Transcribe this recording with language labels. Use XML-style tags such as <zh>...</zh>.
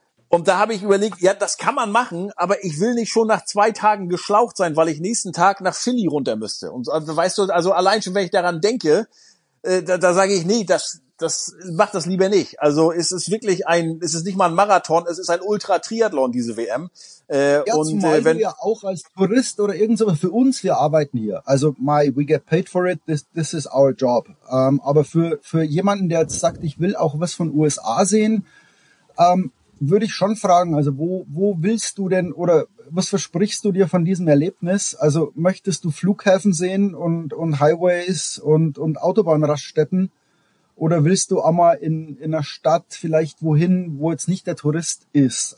<de>Und da habe ich überlegt, ja, das kann man machen, aber ich will nicht schon nach 2 Tagen geschlaucht sein, weil ich nächsten Tag nach Philly runter müsste. Und weißt du, also allein schon, wenn ich daran denke, da sage ich, nee, das macht das lieber nicht. Also es ist wirklich es ist nicht mal ein Marathon, es ist ein Ultra-Triathlon, diese WM. Wenn wir auch als Tourist oder irgend sowas, für uns, wir arbeiten hier.</de> <en>Also we get paid for it, this is our job.</en> <de>Aber für jemanden, der jetzt sagt, ich will auch was von USA sehen, würde ich schon fragen, also wo willst du denn oder was versprichst du dir von diesem Erlebnis? Also möchtest du Flughäfen sehen und Highways und Autobahnraststätten oder willst du einmal in einer Stadt vielleicht wohin, wo jetzt nicht der Tourist ist?</de>